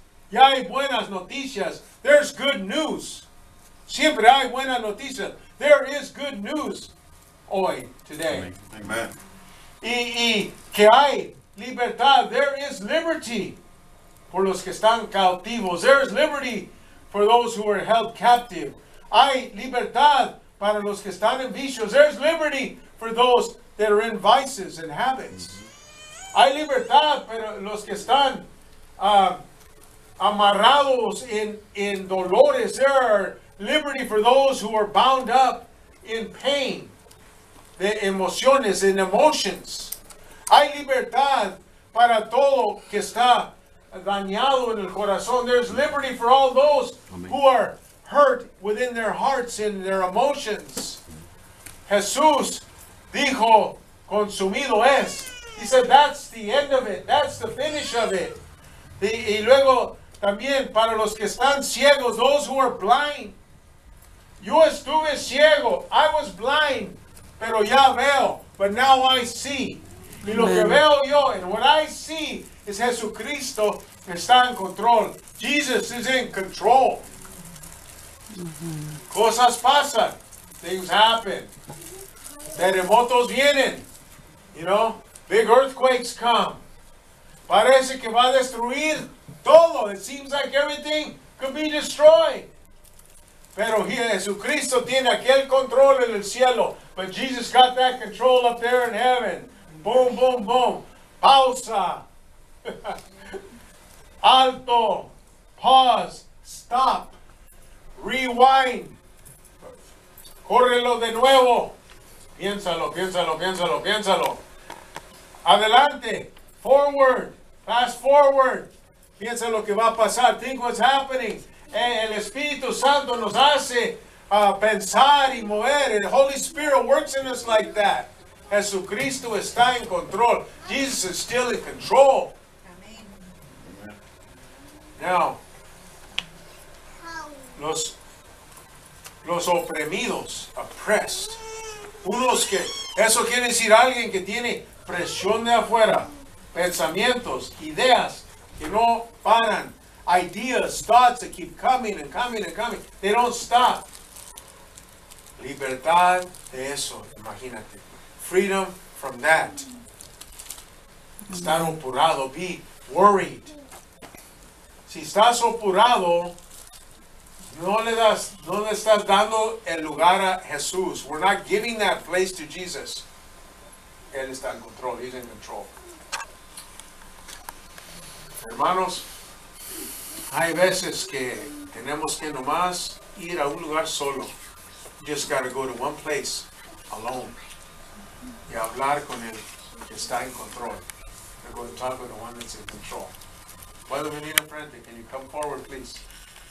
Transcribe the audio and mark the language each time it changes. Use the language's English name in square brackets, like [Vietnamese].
[Spanish] Ya hay buenas noticias, [English] there's good news. [Spanish] Siempre hay buenas noticias, [English] there is good news [Spanish] hoy, [English] today. [Spanish] Amen. Y que hay libertad, [English] there is liberty. [Spanish] Por los que están cautivos. [English] There is liberty for those who are held captive. [Spanish] Hay libertad para los que están en vicios. [English] There is liberty for those that are in vices and habits. [Spanish] Hay libertad para los que están amarrados en dolores. [English] There are liberty for those who are bound up in pain. [Spanish] De emociones, [English] in emotions. [Spanish] Hay libertad para todo que está dañado en el corazón. [English] There's liberty for all those who are hurt within their hearts and their emotions. Jesús [Spanish] dijo, consumido es. [English] He said, that's the end of it. That's the finish of it. [Spanish] Y luego, también, para los que están ciegos, [English] those who are blind. [Spanish] Yo estuve ciego. [English] I was blind. [Spanish] Pero ya veo. [English] But now I see. [Spanish] Y lo que veo yo, [English] and what I see, is [Spanish] Jesucristo está en control. [English] Jesus is in control. Mm-hmm. [Spanish] Cosas pasan. [English] Things happen. [Spanish] Terremotos vienen. [English] You know? Big earthquakes come. [Spanish] Parece que va a destruir todo. [English] It seems like everything could be destroyed. [Spanish] Pero Jesucristo tiene aquel control en el cielo. [English] But Jesus got that control up there in heaven. [Spanish] Boom, boom, boom. Pausa. Alto. [English] Pause. Stop. Rewind. [Spanish] Córrelo de nuevo. Piénsalo, piénsalo, piénsalo, piénsalo. Adelante. [English] Forward. Fast forward. [Spanish] Piensa lo que va a pasar. [English] Think what's happening. [Spanish] El Espíritu Santo nos hace pensar y mover. [English] The Holy Spirit works in us like that. [Spanish] Jesucristo está en control. [English] Jesus is still in control. Now, [Spanish] los oprimidos, [English] oppressed. [Spanish] Unos que, eso quiere decir alguien que tiene presión de afuera. Pensamientos, ideas que no paran. [English] Ideas, thoughts that keep coming and coming and coming. They don't stop. [Spanish] Libertad de eso, imagínate. [English] Freedom from that. [Spanish] Estar apurado, [English] be worried. [Spanish] Si estás apurado, no le estás dando el lugar a Jesús. [English] We're not giving that place to Jesus. [Spanish] Él está en control, [English] he's in control. [Spanish] Hermanos, hay veces que tenemos que nomás ir a un lugar solo. [English] You just gotta go to one place alone. [Spanish] Y hablar con el que está en control. [English] We're going to talk with the one that's in control. [Spanish] Puedo venir enfrente. [English] Can you come forward, please?